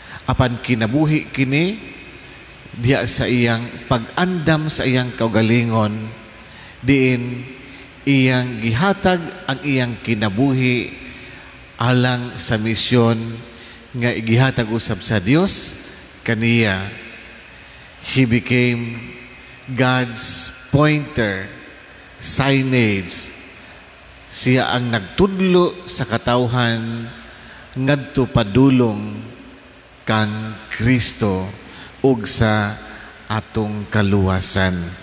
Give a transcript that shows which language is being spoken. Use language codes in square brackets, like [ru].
[ceb] Apan kinabuhi kini diya sa iyang pag-andam sa iyang kaugalingon, diin iyang gihatag ang iyang kinabuhi alang sa misyon nga igihatag usab sa Dios kaniya. [en] He became God's pointer, signage. [ceb] Siya ang nagtudlo sa katawhan ngadto padulong kang Kristo ug sa atong kaluwasan.